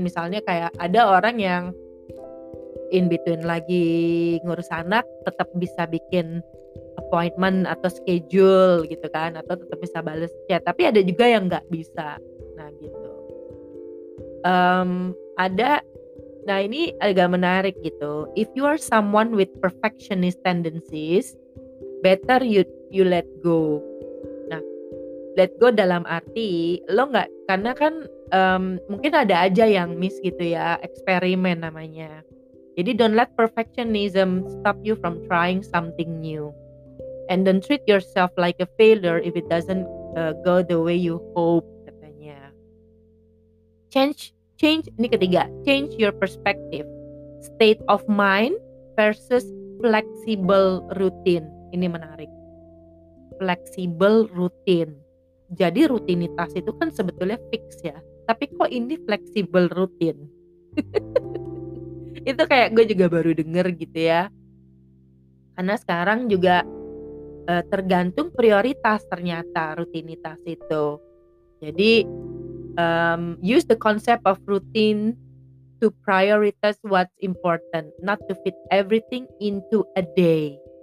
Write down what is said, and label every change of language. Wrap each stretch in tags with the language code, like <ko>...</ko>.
<id>Misalnya kayak ada orang yang</id> <en>in between</en> <id>lagi ngurus anak tetap bisa bikin appointment atau schedule gitu kan, atau tetap bisa balas chat, tapi ada juga yang nggak bisa. Nah gitu, ada. Nah, ini agak menarik gitu.</id> <en>If you are someone with perfectionist tendencies, better you let go.</en> <id>Nah, let go dalam arti lo gak, karena kan mungkin ada aja yang miss gitu ya, eksperimen namanya. Jadi</id> <en>don't let perfectionism stop you from trying something new. And don't treat yourself like a failure if it doesn't go the way you hope,</en> <id>katanya.</id> <en>Change,</en> <id>ini ketiga,</id> <en>change your perspective, state of mind versus flexible routine.</en> <id>Ini menarik, flexible routine. Jadi rutinitas itu kan sebetulnya fix ya, tapi kok ini flexible routine? Itu kayak gue juga baru denger gitu ya. Karena sekarang juga tergantung prioritas ternyata rutinitas itu. Jadi</id> <en>use the concept of routine to prioritize what's important, not to fit everything into a day.</en>